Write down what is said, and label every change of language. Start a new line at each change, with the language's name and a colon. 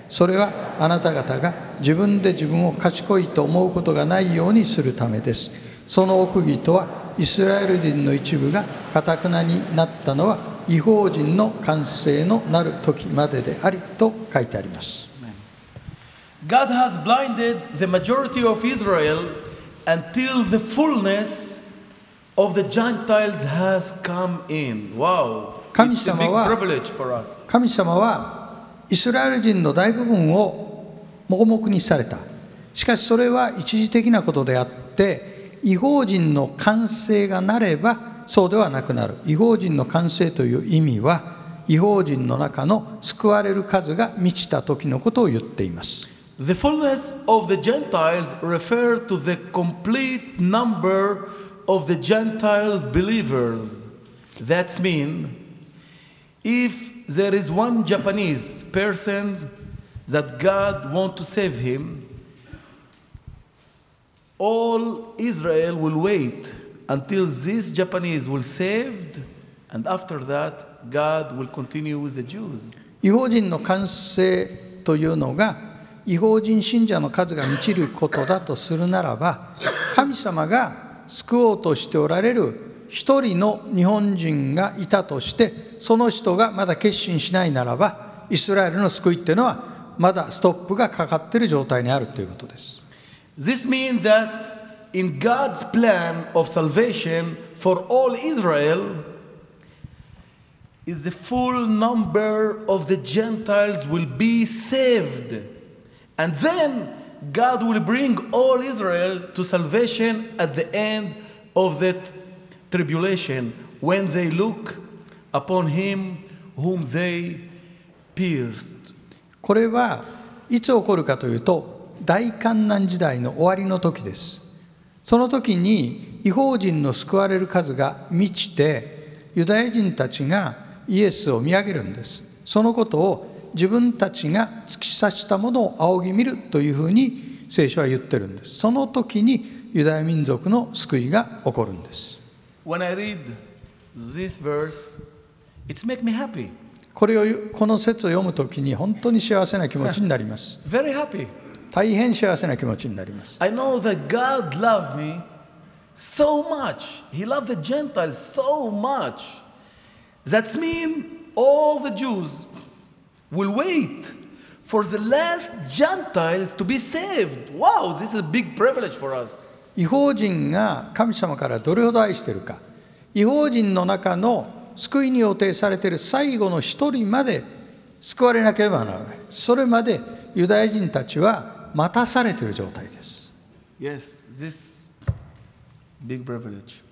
Japanese: それはあなた方が自分で自分を賢いと思うことがないようにするためです。その奥義とは、イスラエル人の一部が頑なになったのは異邦人の完成のなる時までであり、と書いてあります。
English: God has blinded the majority of Israel until the fullness of the Gentiles has come in. Wow! It's a big privilege for us.
Japanese: 神様はイスラエル人の大部分を盲目にされた。しかしそれは一時的なことであって、異邦人の完成がなればそうではなくなる。異邦人の完成という意味は、異邦人の中の救われる数が満ちた時のことを言っています。
English: The fullness of the Gentiles refer to the complete number of the Gentiles believers. That means if there is one Japanese person that God wants to save him, all Israel will wait until this Japanese will saved, and after that, God will continue with the Jews.
Japanese: 異邦人の完成というのが異邦人信者の数が満ちることだとするならば、神様が救おうとしておられる一人の日本人がいたとして、その人がまだ決心しないならば、イスラエルの救いっていうのはまだストップがかかっている状態にあるということです。
English: This means that in God's plan of salvation for all Israel is the full number of the Gentiles will be savedAnd then God will bring all Israel to salvation at the end of that tribulation when they look upon him whom they pierced.
Japanese: これはいつ起こるかというと、大患難時代の終わりの時です。その時に異邦人の救われる数が満ちて、ユダヤ人たちがイエスを見上げるんです。そのことを自分たちが突き刺したものを仰ぎ見るというふうに聖書は言ってるんです。その時にユダヤ民族の救いが起こるんです。
English: When I read this verse, it's make me happy.
Japanese: これをこの節を読むときに本当に幸せな気持ちになります。
English: Very happy.
Japanese: 大変幸せな気持ちになります。
English: I know that God loved me so much. He loved the Gentiles so much. That means all the Jews will wait for the last Gentiles to be saved. Wow, this is a big privilege for us.
Japanese: 異邦人が神様からどれほど愛しているか、異邦人の中の救いに予定されている最後の一人まで救われなければならない。それまでユダヤ人たちは待たされている状態です。
English: Yes, this big privilege.